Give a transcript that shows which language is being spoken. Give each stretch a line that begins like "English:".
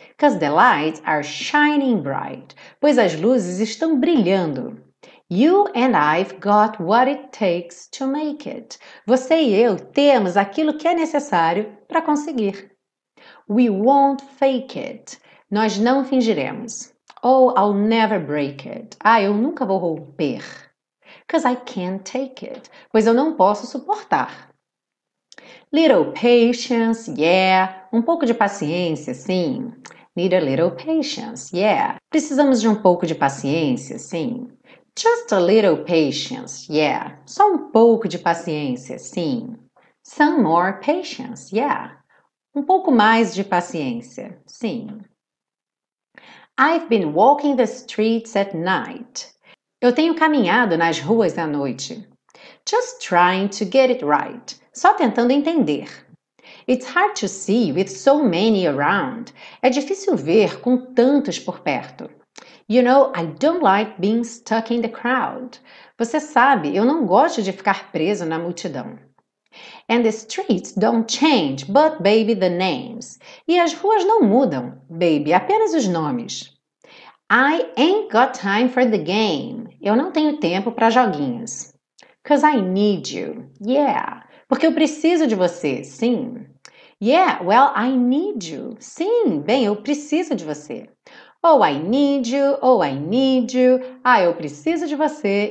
English: 'Cause the lights are shining bright.
Portuguese: Pois as luzes estão brilhando.
English: You and I've got what it takes to make it.
Portuguese: Você e eu temos aquilo que é necessário para conseguir.
English: We won't fake it.
Portuguese: Nós não fingiremos.
English: Oh, I'll never break it.
Portuguese: Ah, eu nunca vou romper.
English: 'Cause I can't take it.
Portuguese: Pois eu não posso suportar.
English: Little patience, yeah.
Portuguese: Um pouco de paciência, sim.
English: Need a little patience, yeah.
Portuguese: Precisamos de um pouco de paciência, sim.
English: Just a little patience, yeah.
Portuguese: Só um pouco de paciência, sim.
English: Some more patience, yeah.
Portuguese: Um pouco mais de paciência, sim.
English: I've been walking the streets at night.
Portuguese: Eu tenho caminhado nas ruas à noite.
English: Just trying to get it right.
Portuguese: Só tentando entender.
English: It's hard to see with so many around.
Portuguese: É difícil ver com tantos por perto.
English: You know, I don't like being stuck in the crowd.
Portuguese: Você sabe, eu não gosto de ficar preso na multidão.
English: And the streets don't change, but baby, the names.
Portuguese: E as ruas não mudam, baby, apenas os nomes.
English: I ain't got time for the game.
Portuguese: Eu não tenho tempo para joguinhos.
English: 'Cause I need you. Yeah.
Portuguese: Porque eu preciso de você, sim.
English: Yeah, well, I need you.
Portuguese: Sim, bem, eu preciso de você.
English: Oh, I need you. Oh, I need you.
Portuguese: Ah, eu preciso de você.